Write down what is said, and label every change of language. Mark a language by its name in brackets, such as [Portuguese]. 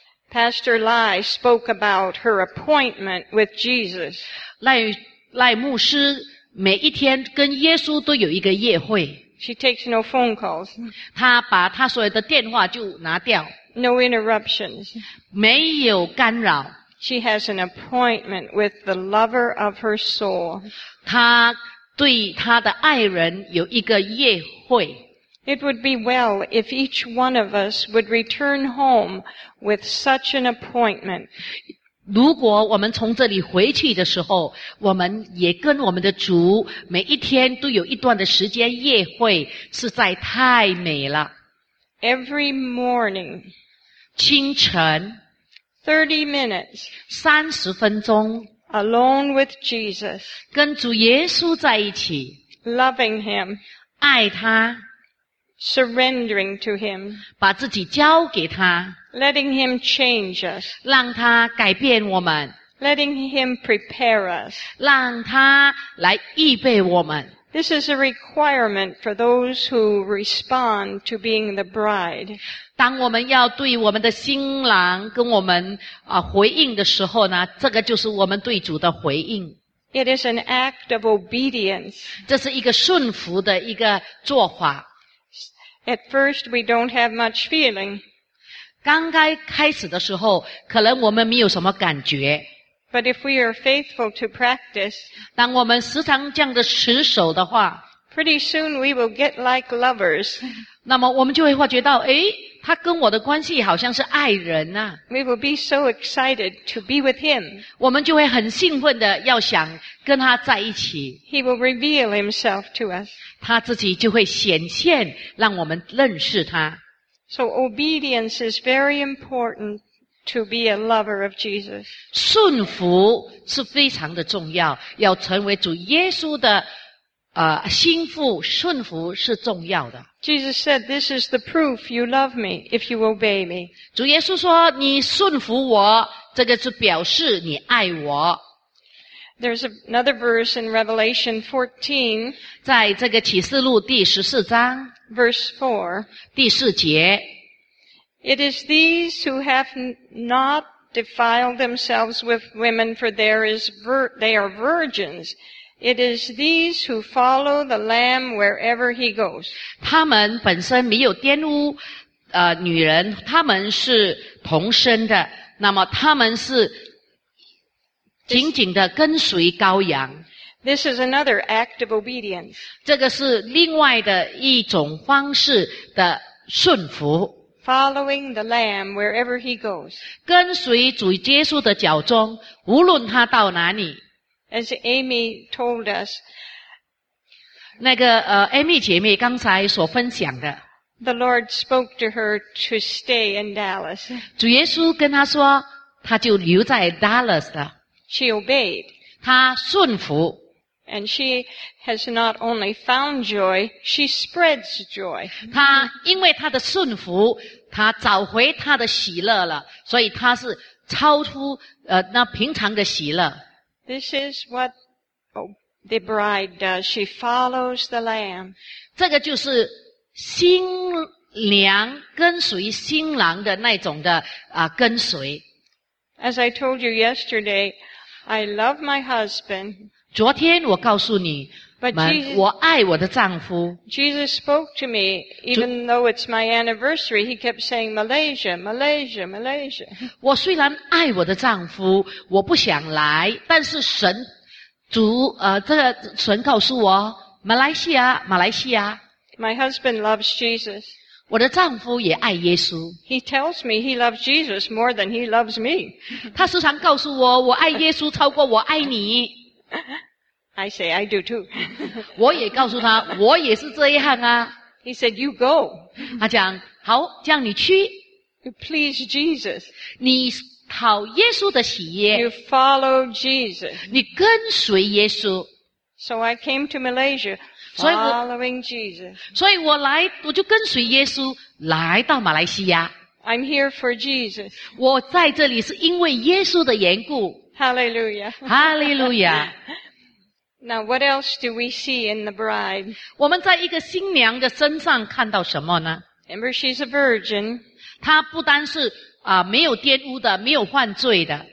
[English] Pastor Lai spoke about her appointment with Jesus. [Chinese] 赖牧师每一天跟耶稣都有一个夜会。 [English] She takes no phone calls. [Chinese] 她把她所有的电话就拿掉。 [English] No interruptions. [Chinese] 没有干扰。 [English] She has an appointment with the lover of her soul. [Chinese] 她对她的爱人有一个夜会。 [English] It would be well if each one of us would return home with such an appointment. [Chinese] 如果我们从这里回去的时候，我们也跟我们的主每一天都有一段的时间夜会，实在太美了。 [English] Every morning, [Chinese] 清晨 [English] 30 minutes, [Chinese] 30分钟 [English] alone with Jesus, [Chinese] 跟主耶稣在一起 [English] loving him, [Chinese] 爱他 [English] Surrendering to him. [Chinese] 把自己交给他。 [English] Letting him change us. [Chinese] 让他改变我们。 [English] Letting him prepare us. [Chinese] 让他来预备我们。 [English] This is a requirement for those who respond to being the bride. [Chinese] 当我们要对我们的新郎跟我们回应的时候呢，这个就是我们对主的回应。 [English] It is an act of obedience. [Chinese] 这是一个顺服的一个做法。 [English] At first, we don't have much feeling. [Chinese] 刚刚开始的时候，可能我们没有什么感觉。 [English] But if we are faithful to practice, [Chinese] 当我们时常这样的持守的话， [English] pretty soon we will get like lovers. [Chinese] 那么我们就会发觉到，他跟我的关系好像是爱人啊。 [English] We will be so excited to be with him. [Chinese] 我们就会很兴奋的要想跟他在一起。 [English] He will reveal himself to us. [Chinese] 他自己就会显现，让我们认识他。 [English] So obedience is very important to be a lover of Jesus. [Chinese] 顺服是非常的重要，要成为主耶稣的心腹，顺服是重要的。 [English] Jesus said, "This is the proof you love me if you obey me." [Chinese] 主耶稣说，你顺服我，这个是表示你爱我。 [English] There's another verse in Revelation 14. [Chinese] 在这个启示录第十四章 [English] Verse 4. [Chinese] 第四节 [English] It is these who have not defiled themselves with women, for they are virgins. It is these who follow the Lamb wherever he goes. [Chinese] 他们本身没有玷污女人，他们是童身的，那么他们是紧紧地跟随羔羊。 [English] This is another act of obedience. [Chinese] 这个是另外的一种方式的顺服。 [English] Following the Lamb wherever he goes. [Chinese] 跟随主耶稣的脚踪，无论他到哪里。 [English] As Amy told us. [Chinese] 那个Amy 姐妹刚才所分享的。 [English] The Lord spoke to her to stay in Dallas. [Chinese] 主耶稣跟她说，她就留在 Dallas 了。 [English] She obeyed. [Chinese] 她顺服。 [English] And she has not only found joy, she spreads joy. [Chinese] 她因为她的顺服，她找回她的喜乐了，所以她是超出那平常的喜乐。 [English] This is what the bride does. She follows the Lamb. [Chinese] 这个就是新娘跟随新郎的那种的跟随。 [English] As I told you yesterday,I love my husband. [Chinese] 昨天我告诉你们，我爱我的丈夫。 [English] Jesus spoke to me, even though it's my anniversary, he kept saying, Malaysia, Malaysia, Malaysia. [Chinese] 我虽然爱我的丈夫，我不想来，但是神告诉我，马来西亚，马来西亚。 [English] My husband loves Jesus. [Chinese] 我的丈夫也爱耶稣。 [English] He tells me he loves Jesus more than he loves me. [Chinese] 他时常告诉我，我爱耶稣超过我爱你。 [English] I say I do too. [Chinese] 我也告诉他，我也是这样啊。 [English] He said you go. [Chinese] 他讲好，这样你去。 [English] You please Jesus. [Chinese] 你讨耶稣的喜悦。 [English] You follow Jesus. [Chinese] 你跟随耶稣。 [English] So I came to Malaysia. Following Jesus. [Chinese] 所以我来，我就跟随耶稣来到马来西亚。 [English] I'm here for Jesus. [Chinese] 我在这里是因为耶稣的缘故。 [English] Hallelujah. Hallelujah. Now, what else do we see in the bride? [Chinese] 我们在一个新娘的身上看到什么呢？ [English] Remember, she's a virgin. [Chinese] 她不单是啊、没有玷污的，没有犯罪的。